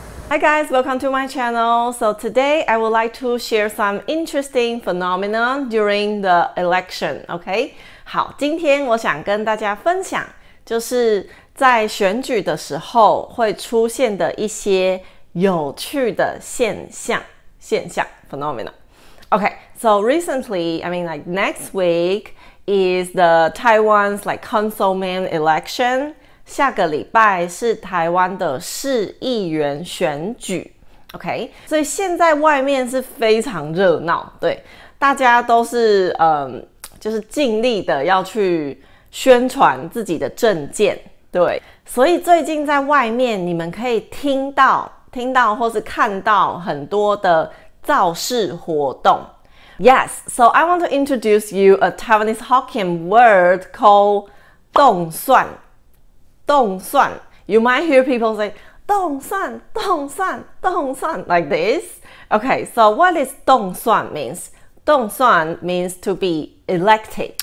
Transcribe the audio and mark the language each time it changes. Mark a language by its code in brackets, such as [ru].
[en] Hi guys, welcome to my channel. So today I would like to share some interesting phenomenon during the election, okay? [zh] 好，今天我想跟大家分享，就是在选举的时候会出现的一些有趣的现象 phenomenon. [en] Okay, so recently, I mean like next week is the Taiwan's like councilman election. [zh] 下个礼拜是台湾的市议员选举 ，OK， 所以现在外面是非常热闹，对，大家都是就是尽力的要去宣传自己的政见，对，所以最近在外面你们可以听到或是看到很多的造势活动。 [en] Yes, so I want to introduce you a Taiwanese Hokkien word called 动算。动算 You might hear people say 动算动算动算 like this. Okay, so what is 动算 means? 动算 means to be elected.